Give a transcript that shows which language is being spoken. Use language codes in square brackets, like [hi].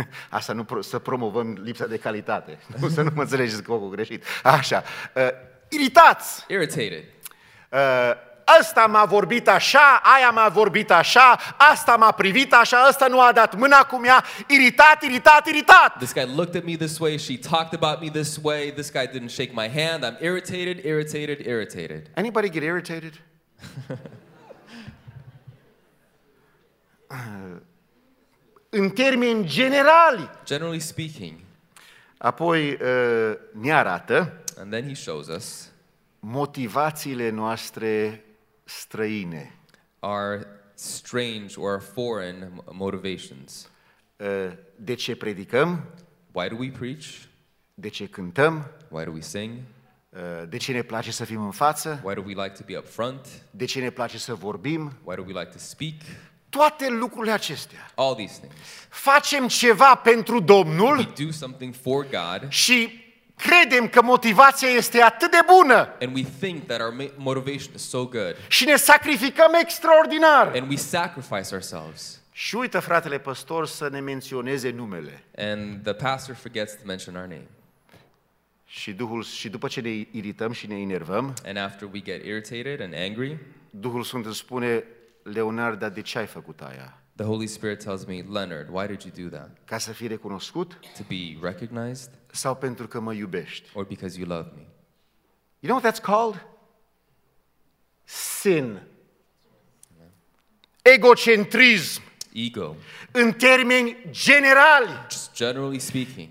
[ro] Asta nu să promovăm lipsa de calitate. Nu, să nu mă înțelegeți că o greșit. Așa. Iritați. [en] Irritated. [ro] Ăsta m-a vorbit așa, aia m-a vorbit așa, asta m-a privit așa, ăsta nu a dat mâna cu mea, iritat, iritat, iritat. [en] This guy looked at me this way, she talked about me this way, this guy didn't shake my hand, I'm irritated, irritated, irritated. Anybody get irritated? [ro] În termeni generali. [en] Generally speaking. [ro] Apoi ne arată. [en] And then he shows us. [ro] Motivațiile noastre străine. [en] Are strange or foreign motivations. [ro] De ce predicăm? [en] Why do we preach? [ro] De ce cântăm? [en] Why do we sing? [ro] De ce ne place să fim în față? [en] Why do we like to be up front? [ro] De ce ne place să vorbim? [en] Why do we like to speak? [ro] Toate lucrurile acestea. [en] All these things. [ro] Facem ceva pentru Domnul. [en] We do something for God. [ro] Și credem că motivația este atât de bună. [en] And we think that our motivation is so good. [ro] Și ne sacrificăm extraordinar. [en] And we sacrifice ourselves. [ro] Și uită fratele pastor să ne menționeze numele. [en] And the pastor forgets to mention our name. [ro] Și Duhul, și după ce ne irităm și ne enervăm, [en] and after we get irritated and angry, [ro] Duhul Sfânt îmi spune, Leonard, dar de ce ai făcut aia? [en] The Holy Spirit tells me, Leonard, why did you do that? [ro] Ca să fii recunoscut? [en] To be recognized? [ro] Sau pentru că mă iubești? [en] Or because you love me? You know what that's called? Sin. Egocentrism. Ego. [ro] În termeni generali. [en] Just generally speaking.